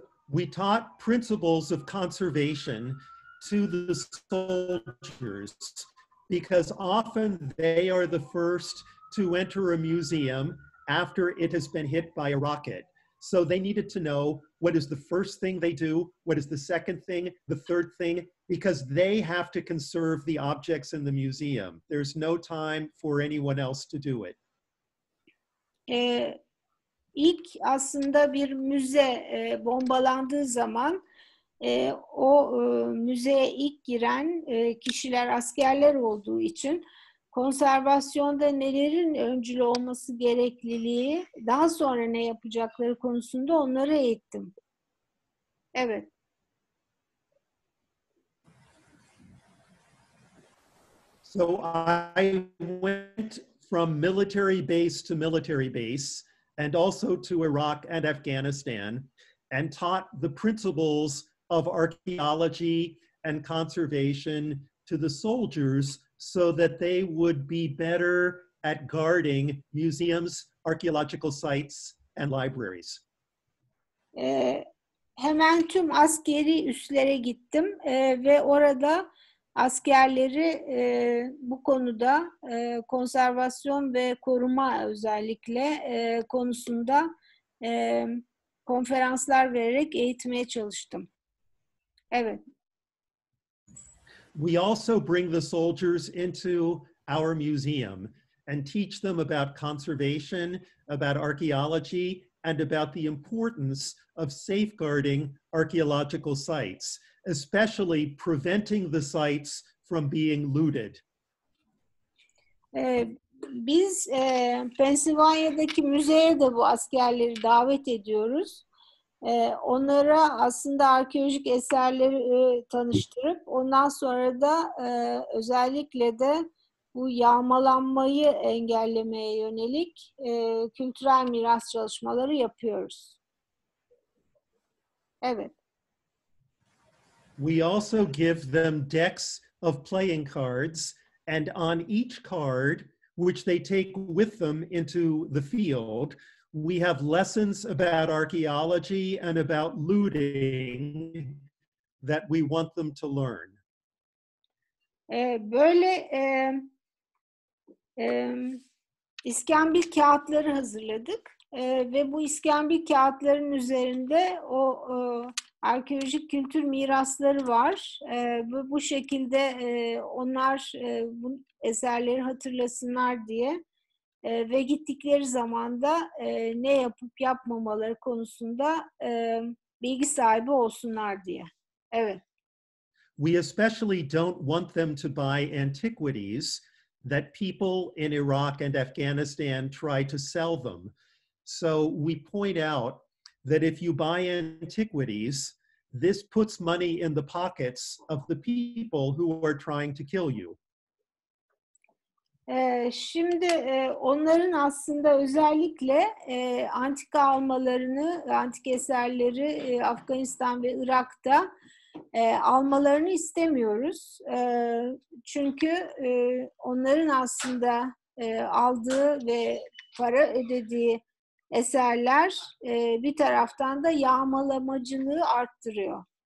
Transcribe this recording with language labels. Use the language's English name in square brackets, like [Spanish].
[English] We taught principles of conservation to the soldiers because often they are the first to enter a museum after it has been hit by a rocket. So they needed to know what is the first thing they do, what is the second thing, the third thing, because they have to conserve the objects in the museum. There's no time for anyone else to do it. [Turkish] İlk aslında bir müze bombalandığı zaman o müzeye ilk giren kişiler askerler olduğu için konservasyonda nelerin öncülü olması gerekliliği, daha sonra ne yapacakları konusunda onları eğittim. Evet. [English] So I went from military base to military base and also to Iraq and Afghanistan and taught the principles of archaeology and conservation to the soldiers so that they would be better at guarding museums, archaeological sites and libraries. [Turkish] Hemen tüm askeri üslere gittim ve orada askerleri bu konuda konservasyon ve koruma özellikle konusunda konferanslar vererek eğitmeye çalıştım. Evet. [English] We also bring the soldiers into our museum and teach them about conservation, about archaeology, and about the importance of safeguarding archaeological sites, especially preventing the sites from being looted. [Turkish] Biz Pensilvanya'daki müzeye de bu askerleri davet ediyoruz. Onlara aslında arkeolojik eserleri tanıştırıp ondan sonra da özellikle de bu yağmalanmayı engellemeye yönelik kültürel miras çalışmaları yapıyoruz. Evet. [English] We also give them decks of playing cards, and on each card, which they take with them into the field, we have lessons about archaeology and about looting that we want them to learn. [Turkish] Böyle iskambil kağıtları hazırladık ve bu iskambil kağıtların üzerinde o arkeolojik kültür mirasları var. Bu şekilde onlar bu eserleri hatırlasınlar diye ve gittikleri zaman da ne yapıp yapmamaları konusunda bilgi sahibi olsunlar diye. Evet. [English] We especially don't want them to buy antiquities that people in Iraq and Afghanistan try to sell them. So we point out that if you buy antiquities, this puts money in the pockets of the people who are trying to kill you. [Turkish] Şimdi onların aslında özellikle antika almalarını, antik eserleri Afganistan ve Irak'ta almalarını istemiyoruz. Çünkü onların aslında aldığı ve para ödediği eserler bir taraftan da yağmalamacılığı arttırıyor.